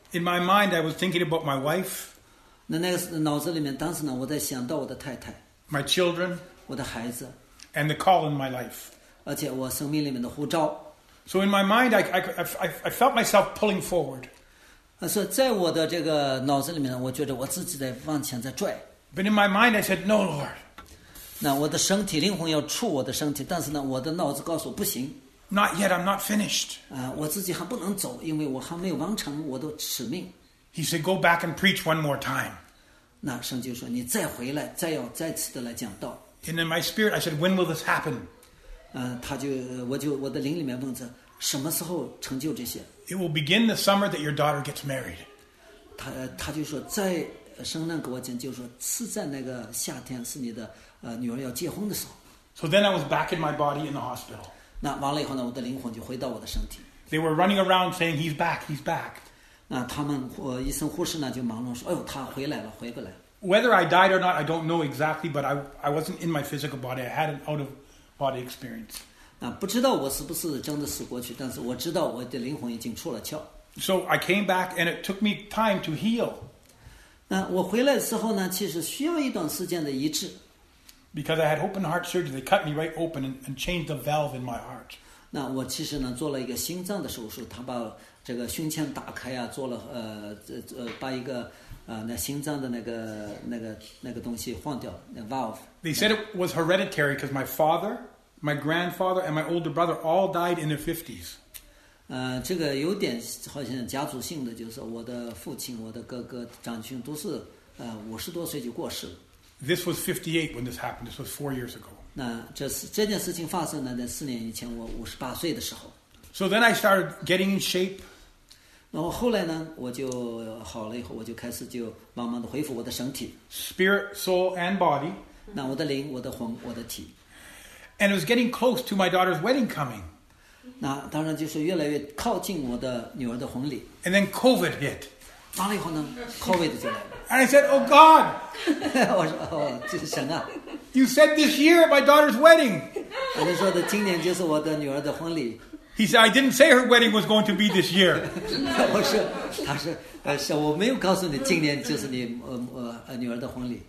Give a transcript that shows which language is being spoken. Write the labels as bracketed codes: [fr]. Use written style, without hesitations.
[en] In my mind, I was thinking about my wife. [zh] 那个脑子里面，当时呢，我在想到我的太太。 [en] My children. [zh] 我的孩子。 [en] And the call in my life. [zh] 而且我生命里面的呼召。 [en] So in my mind, I felt myself pulling forward. [zh] 所以在我的这个脑子里面呢，我觉得我自己在往前在拽。 [en] But in my mind, I said, "No, Lord." [zh] 那我的身体灵魂要出我的身体，但是呢，我的脑子告诉我不行。 [en] Not yet, I'm not finished. [zh] 我自己还不能走，因为我还没有完成我的使命。 [en] He said, "Go back and preach one more time." [zh] 那圣经说，你再回来，再要再次的来讲道。 [en] And in my spirit, I said, "When will this happen?" [zh] 我的灵里面问着，什么时候成就这些 [en] ？It will begin the summer that your daughter gets married. [zh] 他就说，在圣诞给我讲，就是说是在那个夏天，是你的。女儿要结婚的时候。 [en] So then I was back in my body in the hospital. [zh] 那完了以后呢，我的灵魂就回到我的身体。 [en] They were running around saying, "He's back, he's back." [zh] 那他们医生护士呢就忙碌说，哎呦，他回来了，回过来。 [en] Whether I died or not, I don't know exactly, but I wasn't in my physical body. I had an out of body experience. [zh] 那不知道我是不是真的死过去，但是我知道我的灵魂已经出了窍。 [en] So I came back, and it took me time to heal. [zh] 那我回来的时候呢，其实需要一段时间的医治。 [en] Because I had open heart surgery, they cut me right open and changed the valve in my heart. [zh] 那我其实呢做了一个心脏的手术，他把这个胸腔打开呀、啊，做了把一个那心脏的那个东西换掉，那 valve. [en] They said it was hereditary because my father, my grandfather, and my older brother all died in their 50s. [zh] 这个有点好像家族性的，就是我的父亲、我的哥哥、长兄都是50多岁就过世了。 [en] This was 58 when this happened. This was 4 years ago. [zh] 那这件事情发生呢？在4年以前，我58岁的时候。 [en] So then I started getting in shape. [zh] 然后后来呢，我就好了以后，我就开始就慢慢的恢复我的身体。 [en] Spirit, soul, and body. [zh] 那我的灵、我的魂、我的体。 [en] And it was getting close to my daughter's wedding coming. [zh] 那当然就是越来越靠近我的女儿的婚礼。 [en] And then COVID hit. [zh] 完了以后呢 ，COVID 就来了。 [en] And I said, "Oh God!" [zh] 我说，哦，这是神啊。 [en] You said this year at my daughter's wedding. [zh] 我就说的，今年就是我的女儿的婚礼。 [en] He said, "I didn't say her wedding was going to be this year." [zh] 我说，他说，是我没有告诉你，今年就是你女儿的婚礼。